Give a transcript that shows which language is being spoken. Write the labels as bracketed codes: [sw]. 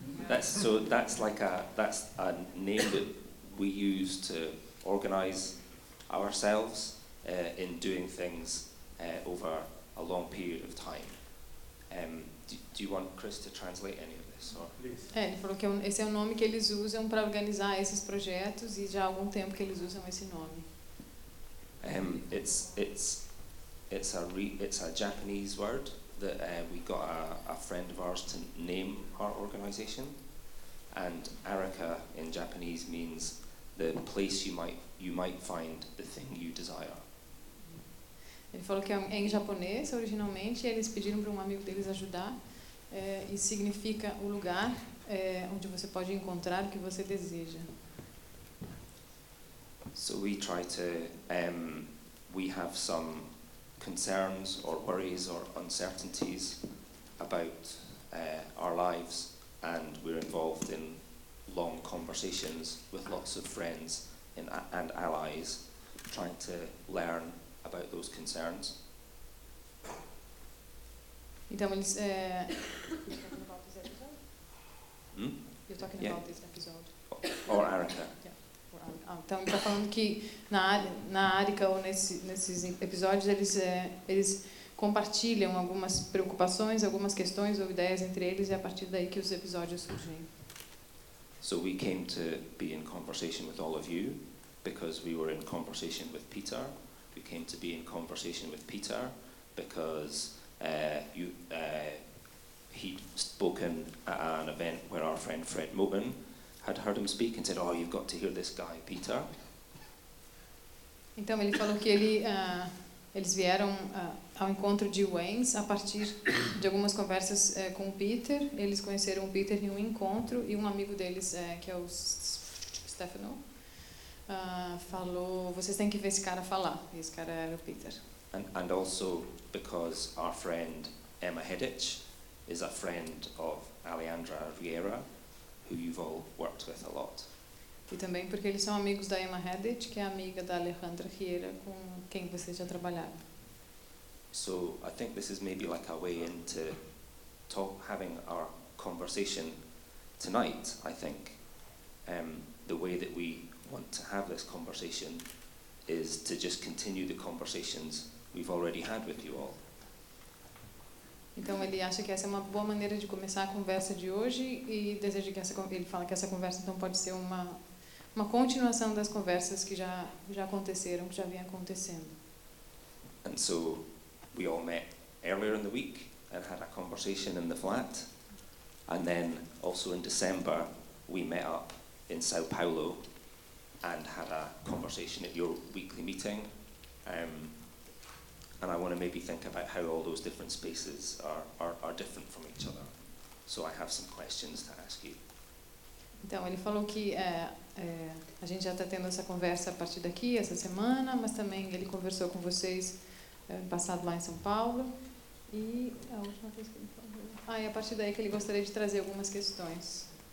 [en] That's a name that we use to organize ourselves in doing things over a long period of time. Do you want Chris to translate any of this? Or? [pt] É, ele falou que esse é o nome que eles usam para organizar esses projetos e já há algum tempo que eles usam esse nome. [en] It's a Japanese word that we got a friend of ours to name our organization. And Arika in Japanese means the place you might find the thing you desire. [pt] Ele falou que é em japonês originalmente e eles pediram para um amigo deles ajudar e significa o lugar onde você pode encontrar o que você deseja. [en] So we try to we have some concerns or worries or uncertainties about our lives and we're involved in long conversations with lots of friends and allies trying to learn about those concerns. [pt] Então, eles, [en] You're talking about this episode. Or Arika. [pt] Então, ele está falando que na Arika ou nesses episódios, eles compartilham algumas preocupações, algumas questões ou ideias entre eles e é a partir daí que os episódios surgem. [en] So we came to be in conversation with all of you because we were in conversation with Peter. We came to be in conversation with Peter because he'd spoken at an event where our friend Fred Moten had heard him speak and said, "Oh, you've got to hear this guy, Peter." [pt] Então ele falou que eles vieram ao encontro de Wayne's a partir de algumas conversas com o Peter. Eles conheceram o Peter em um encontro e um amigo deles que é o Stefano. Falou, vocês têm que ver esse cara falar. E esse cara era o Peter. [en] And also because our friend Emma Hedich is a friend of Alejandra Vieira, who you've all worked with a lot. [pt] E também porque eles são amigos da Emma Hedich, que é amiga da Alejandra Vieira, com quem vocês já trabalharam. [en] So I think this is maybe like a way into having our conversation tonight. I think the way that we want to have this conversation is to just continue the conversations we've already had with you all. [pt] Então ele acha que essa é uma boa maneira de começar a conversa de hoje e deseja que ele fala que essa conversa então pode ser uma continuação das conversas que já aconteceram, que já vinha acontecendo. [en] And so we all met earlier in the week and had a conversation in the flat, and then also in December we met up in São Paulo and had a conversation at your weekly meeting, and I want to maybe think about how all those different spaces are different from each other. So I have some questions to ask you. [pt] Então ele falou que a gente já está tendo essa conversa a partir daqui essa semana, mas também ele conversou com vocês passado lá em São Paulo e a última vez que ele falou. Ah, e a partir daí que ele gostaria de trazer algumas questões.